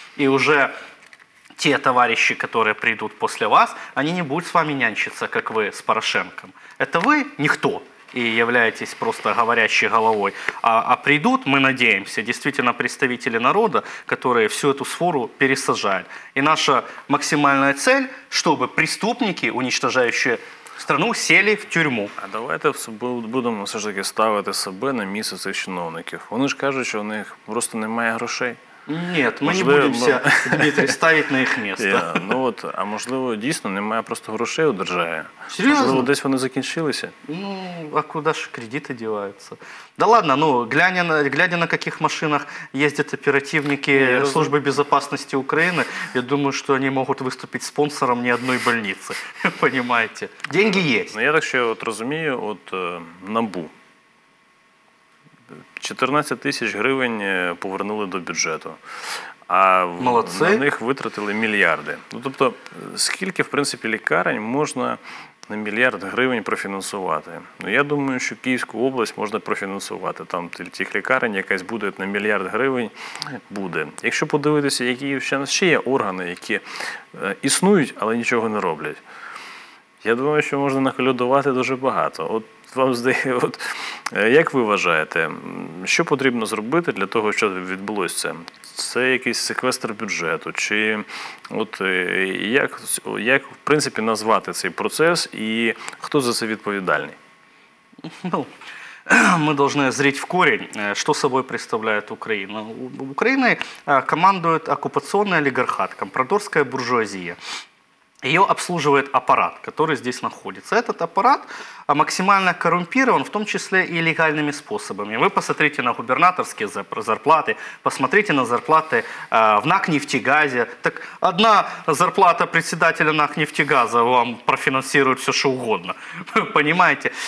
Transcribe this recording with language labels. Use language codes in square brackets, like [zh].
[ru] И уже те товарищи, которые придут после вас, они не будут с вами нянчиться, как вы с Порошенком. Это вы никто. и являетесь просто говорящей головой, а придут, мы надеемся, действительно представители народа, которые всю эту свору пересажают. И наша максимальная цель, чтобы преступники, уничтожающие страну, сели в тюрьму. [uk] А давайте будемо все ж таки ставити себе на місце цих чиновників. Вони ж кажуть, що у них просто немає грошей. [ru] Нет, мы не будем себя ставить на их место. Yeah, ну вот, [uk] а можливо, дійсно немає просто грошей у держави. Можливо, десь вони закінчилися. Ну, а куди ж кредити діваються? [ru] Да ладно, ну глядя на каких машинах ездят оперативники Службы безопасности Украины, я думаю, что они могут выступить спонсором ни одной больницы. Понимаете? Деньги есть. [uk] Ну, я так ще от розумію, от НАБУ. 14 тисяч гривень повернули до бюджету, а молодці, на них витратили мільярди. Ну, тобто, скільки, в принципі, лікарень можна на мільярд гривень профінансувати? Ну, я думаю, що Київську область можна профінансувати. Там тих лікарень якась буде на мільярд гривень, буде. Якщо подивитися, які ще є органи, які існують, але нічого не роблять. Я думаю, що можна нахлюдувати дуже багато. От вам здається, от, як ви вважаєте, що потрібно зробити для того, щоб відбулося? Це якийсь секвестр бюджету? Чи от, як в принципі назвати цей процес і хто за це відповідальний? Ну, ми повинні зріти в корінь, що собою представляє Україна. Україною командує окупаційний олігархат, компрадорська буржуазія. [ru] Ее обслуживает аппарат, который здесь находится. Этот аппарат максимально коррумпирован, в том числе и легальными способами. Вы посмотрите на губернаторские зарплаты, посмотрите на зарплаты в НАКнефтегазе. Так одна зарплата председателя НАКнефтегаза вам профинансирует все, что угодно. Понимаете?